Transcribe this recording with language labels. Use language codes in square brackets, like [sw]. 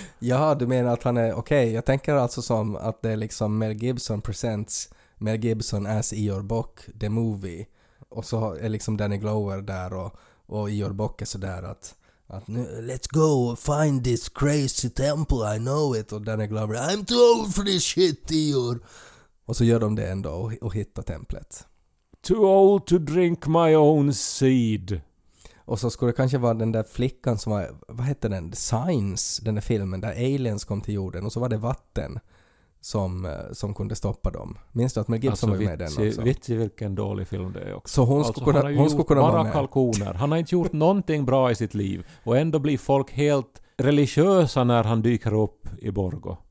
[sv] Ja, du menar att han är okej. Okay, jag tänker alltså som att det är liksom Mel Gibson presents Mel Gibson as Ior Box the movie. Och så är liksom Danny Glover där och Ior Box är sådär att nu, [en] let's go find this crazy temple, I know it. Och Danny Glover, I'm too old for this shit, Ior. [sv] Och så gör de det ändå och hittar templet. [en] Too old to drink my own seed. [sv] Och så skulle det kanske vara den där flickan som var, vad hette den? Signs, den där filmen där aliens kom till jorden. Och så var det vatten som kunde stoppa dem. Minns du att Mel Gibson alltså, var med vitsi, den också? Vitsi vilken dålig film det är också. Så hon alltså, skulle kunna, hon skulle kunna vara med. Han har bara kalkoner. Han har inte gjort någonting bra i sitt liv. Och ändå blir folk helt religiösa när han dyker upp i Borgå.